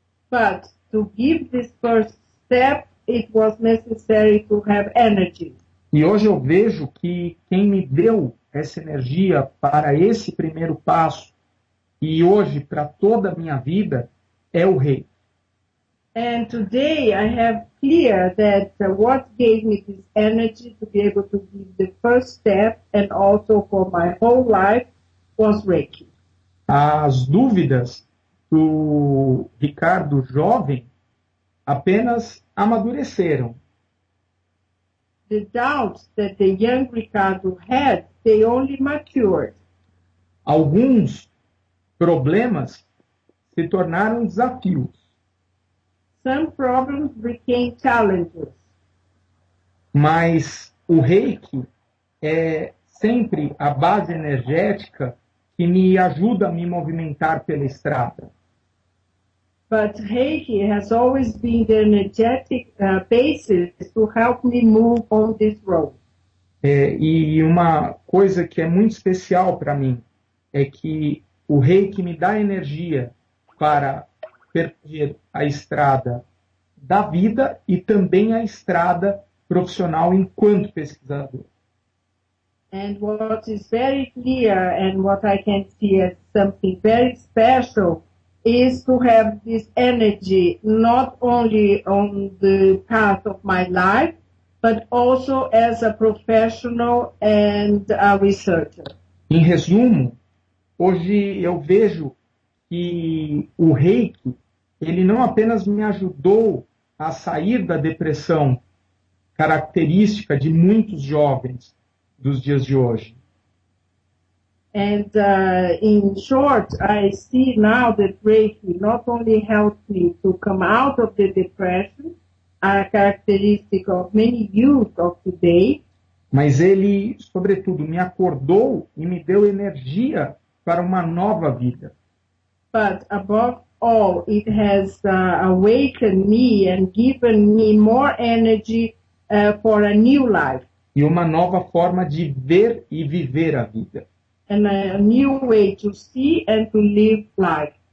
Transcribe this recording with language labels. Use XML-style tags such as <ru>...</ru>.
<en>But to give this first step, it was necessary to have energy.</en> <pt>E hoje eu vejo que quem me deu essa energia para esse primeiro passo e hoje para toda a minha vida é o Rei.</pt> <en>And today I have clear that what gave me this energy to be able to give the first step and also for my whole life was Reiki.</en> <pt>As dúvidas do Ricardo jovem apenas amadureceram.</pt> <en>The doubts that the young Ricardo had, they only matured.</en> <pt>Alguns problemas se tornaram desafios.</pt> <en>Some problems became challenges.</en> <pt>Mas o Reiki é sempre a base energética que me ajuda a me movimentar pela estrada.</pt> <en>But Reiki has always been the energetic basis to help me move on this road.</en> <pt>E uma coisa que é muito especial para mim é que o Reiki me dá energia para percorrer a estrada da vida e também a estrada profissional enquanto pesquisador.</pt> <en>And what is very clear and what I can see as something very special is to have this energy not only on the path of my life, but also as a professional and a researcher.</en> <pt>Em resumo, hoje eu vejo que o Reiki, ele não apenas me ajudou a sair da depressão característica de muitos jovens dos dias de hoje.</pt> <en>And in short, I see now that Reiki not only helped me to come out of the depression, a characteristic of many youth of today.</en> <pt>Mas ele, sobretudo, me acordou e me deu energia para uma nova vida.</pt> <en>But above all, it has awakened me and given me more energy for a new life.</en> <pt>E uma nova forma de ver e viver a vida.</pt> <en>And a new way to see and to live life.</en>